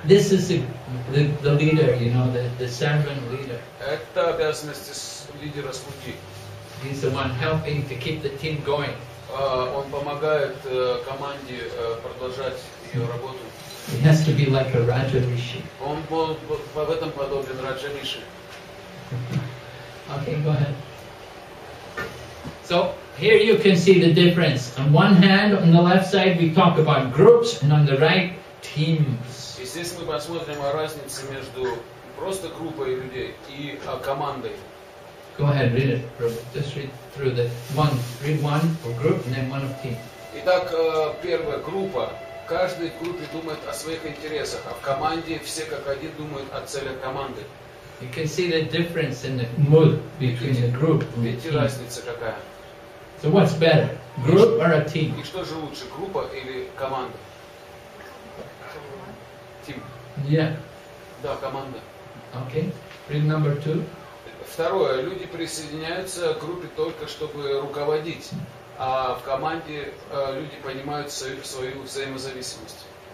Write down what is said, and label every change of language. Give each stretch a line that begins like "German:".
English: This is the leader, you know, the servant leader.
Russian: Это обязанность лидера слуги.
English: He's the one helping to keep the team going.
Russian: Он помогает команде продолжать ее работу.
English: He has to be like a Raja Rishi.
Russian: Он в этом подобен Раджа Риши.
English: Okay, go ahead. So, here you can see the difference. On one hand, on the left side, we talk about groups, and on the right, teams.
Russian: И здесь мы посмотрим о разнице между просто группой людей и командой.
English: Go ahead, read it. Just read through the one. Read one for group, and then one of team.
Russian: Итак, первая группа. В каждой группе думает о своих интересах, а в команде все как один думают о целях команды.
English: You can see the difference in the mood between a group and a team.
Russian: Разница какая?
English: So what's better, group or a team?
Russian: И что же лучше, группа или команда?
English: Team. Yeah.
Russian: Да, команда.
English: Okay. Read number two.
Russian: Второе, люди присоединяются к группе только чтобы руководить, а в команде люди понимают свою взаимозависимость.